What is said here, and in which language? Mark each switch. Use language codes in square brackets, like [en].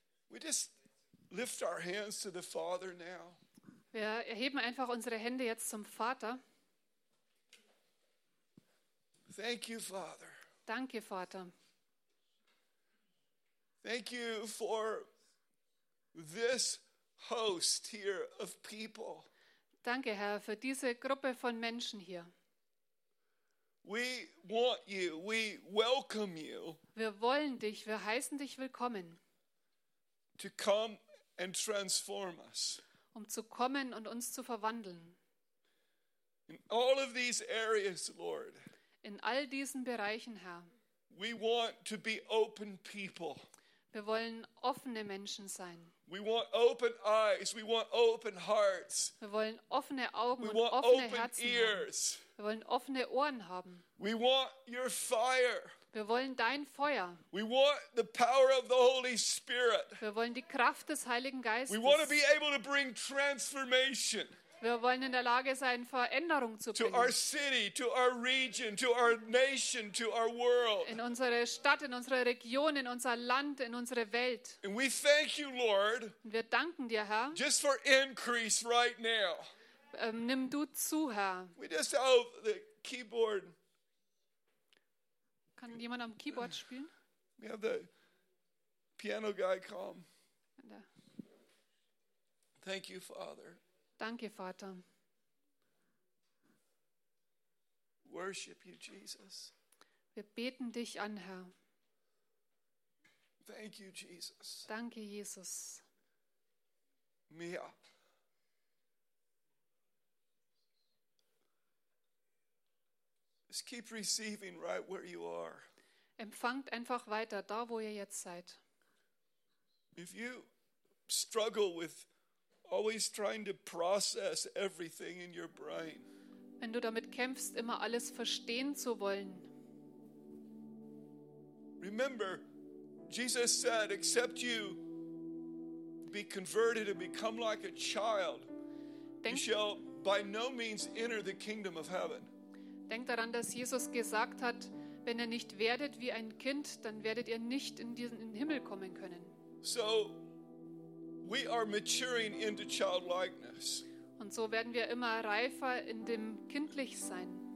[en] We just lift our hands to the Father now. [de] Wir erheben einfach unsere Hände jetzt zum Vater. [en] Thank you, Father. [de] Danke, Vater. [en] Thank you for this host here of people. [de] Danke, Herr, für diese Gruppe von Menschen hier. [en] We want you. We welcome you. [de] Wir wollen dich. Wir heißen dich willkommen. [en] To come and transform us. [de] Um zu kommen und uns zu verwandeln. [en] In all of these areas, Lord. [de] In all diesen Bereichen, Herr. [en] We want to be open people. [de] Wir wollen offene Menschen sein. [en] We want open eyes, we want open hearts. [de] Wir wollen offene Augen und offene Herzen. [en] We want open ears. [de] Wir wollen offene Ohren haben. [en] We want your fire. [de] Wir wollen dein Feuer. [en] We want the power of the Holy Spirit. [de] Wir wollen die Kraft des Heiligen Geistes. [en] We want to be able to bring transformation. [de] Wir wollen in der Lage sein, Veränderung zu bringen. [en] To our city, to our region, to our nation, to our world. [de] In unsere Stadt, in unsere Region, in unser Land, in unsere Welt. [en] And we thank you, Lord. [de] Wir danken dir, Herr. [en] Just for increase right now. [de] Nimm du zu, Herr. [en] We just have the keyboard. [de] Kann jemand am Keyboard spielen? [en] We have the piano guy come. Thank you, Father. [de] Danke, Vater. [en] Worship you, Jesus. [de] Wir beten dich an, Herr. [en] Thank you, Jesus. [de] Danke, Jesus. Mehr. [en] Just keep receiving right where you are. [de] Empfangt einfach weiter, da wo ihr jetzt seid. [en] If you struggle with always trying to process everything in your brain. [de] Wenn du damit kämpfst, immer alles verstehen zu wollen. [en] Remember, Jesus said, except you be converted and become like a child, you shall by no means enter the kingdom of heaven. [de] Denk daran, dass Jesus gesagt hat, wenn ihr nicht werdet wie ein Kind, dann werdet ihr nicht in den Himmel kommen können. [en] So, We are maturing into childlikeness. [de] Und so werden wir immer reifer in dem Kindlichsein.